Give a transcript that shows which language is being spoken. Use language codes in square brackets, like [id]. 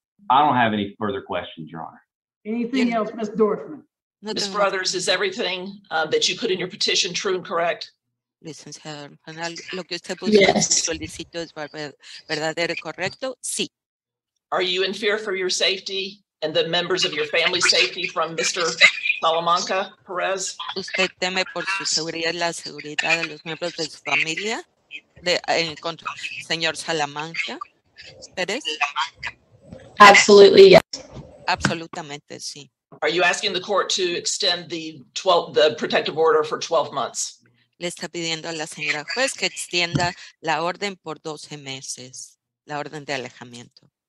[en] I don't have any further questions, Your Honor. Anything else, Ms. Dorfman? No, Ms. Brothers, is everything that you put in your petition true and correct? Listen, [es] señor, lo que usted puso en su solicitud es verdadero y correcto? Sí. [en] Are you in fear for your safety and the members of your family's safety from Mr. Salamanca Perez? [es] ¿Usted teme por su seguridad la seguridad de los miembros de su familia? Contra señor Salamanca Perez? [en] Absolutely, yes. [es] Absolutamente, sí. [en] Are you asking the court to extend the protective order for 12 months? [es] Le está pidiendo a la señora juez que extienda la orden por 12 meses, la orden de alejamiento.